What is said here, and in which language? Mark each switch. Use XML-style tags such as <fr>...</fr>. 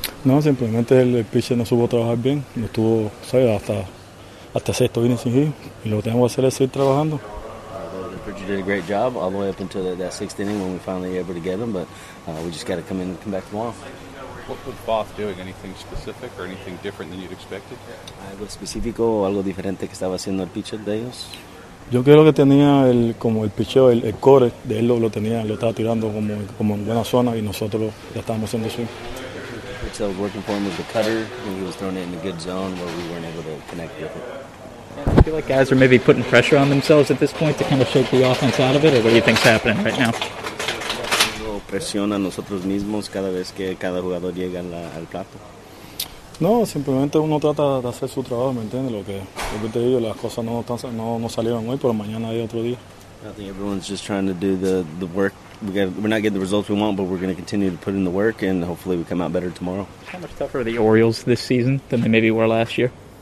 <es>No, simplemente el pitcher no supo trabajar bien. No estuvo, ¿sabes? Hasta sexto inning sin hit. Y lo que tenemos que hacer es seguir trabajando.</es> <en>You did a great job all the way up until that sixth inning when we finally were able to get him, but we just got to come in and come back tomorrow. What was Boss doing? Anything specific or anything different than you'd expected?</en> <es>Algo específico o algo diferente que estaba haciendo el pitcher de ellos. Yo creo que tenía el como el picheo, el core de él lo tenía, lo estaba tirando como en buena zona y nosotros ya estábamos haciendo eso.</es> <en>The pitch I was working for him was the cutter, and he was throwing it in a good zone where we weren't able to connect with it. Do you feel like guys are maybe putting pressure on themselves at this point to kind of shake the offense out of it, or what do you think's happening right now?</en> <es>Presión a nosotros mismos cada vez que cada jugador llega al plato. No, simplemente uno trata de hacer su trabajo, ¿me entiendes? Lo que te digo, las cosas no salieron hoy, pero mañana hay otro día.</es> <en>I think everyone's just trying to do the work. We're not getting the results we want, but we're going to continue to put in the work, and hopefully we come out better tomorrow. How much tougher are the Orioles this season than they maybe were last year?</en>